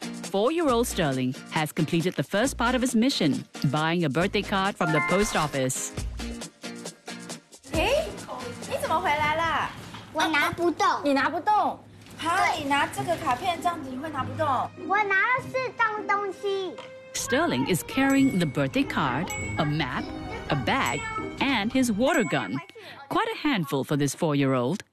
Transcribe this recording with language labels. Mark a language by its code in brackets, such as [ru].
[en] Four-year-old Sterling has completed the first part of his mission, buying a birthday card from the post office. [zh] Hey, 你怎么回来了？我拿不动。你拿不动。 [en] Sterling is carrying the birthday card, a map, a bag, and his water gun. Quite a handful for this four-year-old.